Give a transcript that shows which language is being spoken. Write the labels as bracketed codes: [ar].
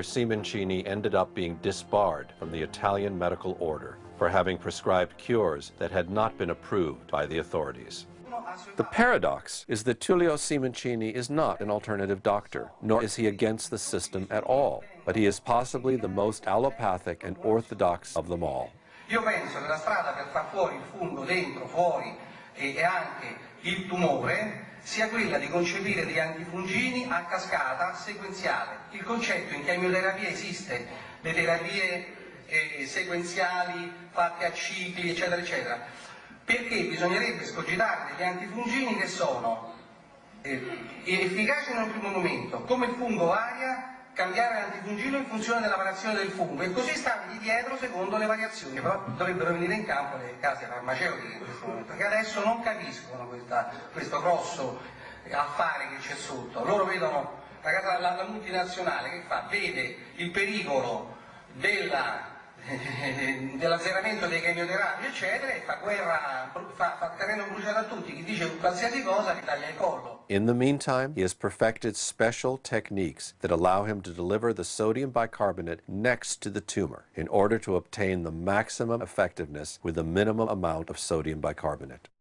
[en] Simoncini ended up being disbarred from the Italian medical order for having prescribed cures that had not been approved by the authorities. The paradox is that Tullio Simoncini is not an alternative doctor, nor is he against the system at all, but he is possibly the most allopathic and orthodox of them all. [it] Io penso che la strada per far fuori il fungo, dentro, fuori, e anche il tumore sia quella di concepire degli antifungini a cascata sequenziale. Il concetto in chemioterapia esiste, le terapie sequenziali fatte a cicli, eccetera, eccetera. Perché bisognerebbe scogitare degli antifungini che sono efficaci in un primo momento, come il fungo varia, cambiare l'antifungino in funzione della variazione del fungo e così stargli dietro secondo le variazioni. Però dovrebbero venire in campo le case farmaceutiche in questo momento, perché adesso non capiscono questo grosso affare che c'è sotto. Loro vedono, la multinazionale che fa? Vede il pericolo dell'azzeramento dei chemioterapi, eccetera, e fa guerra, fa terreno bruciato a tutti. Chi dice qualsiasi cosa gli taglia il collo. [en] In the meantime, he has perfected special techniques that allow him to deliver the sodium bicarbonate next to the tumor in order to obtain the maximum effectiveness with the minimum amount of sodium bicarbonate.